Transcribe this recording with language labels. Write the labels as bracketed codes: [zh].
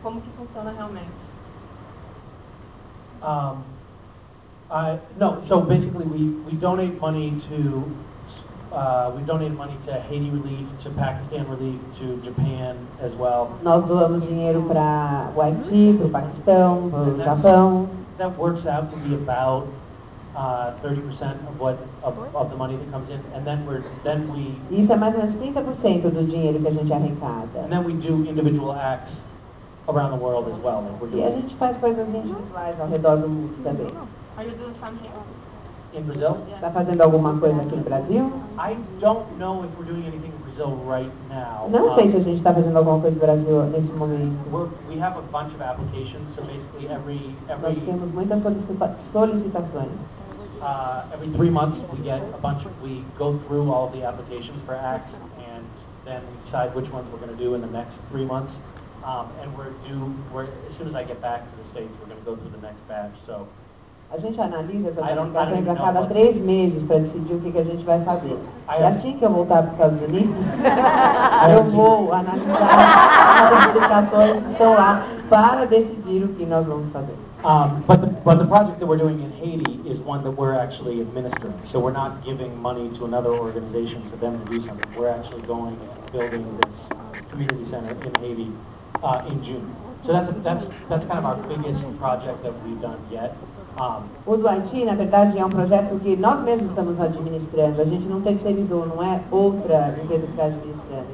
[pt] Como que funciona realmente? [en] So basically we donate money to Haiti Relief, to Pakistan Relief, to Japan as well. [pt] Nós doamos dinheiro para o Haiti, para o Paquistão, para o Japão. [en] That works out to be about 30% of the money that comes in, and then we. [pt] Isso é mais ou menos 30% do dinheiro que a gente arrecada. [en] And then we do individual acts around the world as well. Like we're doing. [pt] E a gente faz coisas individuais ao redor do mundo também. [en] Are you doing something else? In Brazil? [pt] Está fazendo alguma coisa aqui no Brasil? [en] I don't know if we're doing anything in Brazil right now. [pt] Não sei se a gente está fazendo alguma coisa no Brasil nesse momento. [en] We have a bunch of applications, so basically every. [pt] Nós temos muitas solicitações. [en] Every 3 months we get a bunch of. We go through all the applications for acts and then we decide which ones we're going to do in the next 3 months. As soon as I get back to the States, we're going to go through the next batch. So. [pt] A gente analisa essas aplicações a cada 3 meses para decidir o que a gente vai fazer. E assim que eu voltar para os Estados Unidos, eu vou analisar as aplicações que estão lá para decidir o que nós vamos fazer. [en] But the project that we're doing in Haiti is one that we're actually administering. So we're not giving money to another organization for them to do something. We're actually going and building this community center in Haiti in June. So that's kind of our biggest project that we've done yet. [pt] O do Haiti, na verdade, é um projeto que nós mesmos estamos administrando. A gente não terceirizou, não é outra empresa que está administrando.